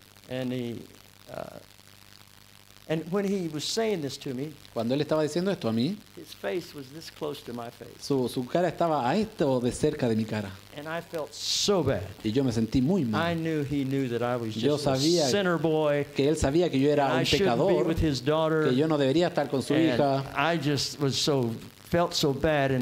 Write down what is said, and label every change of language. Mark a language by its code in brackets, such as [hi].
[en] And and when he was saying this to me, [es] cuando él estaba diciendo esto a mí, [en] his face was this close to my face. [es] Su cara estaba a esto de cerca de mi cara. [en] And I felt so bad. [es] Y yo me sentí muy mal. [en] I knew he knew that I was [es] yo [en] just a sinner boy. [es] Que él sabía que yo era un pecador. [en] I shouldn't be with his daughter. [es] Que yo no debería estar con su hija. [en] I just was so felt so bad and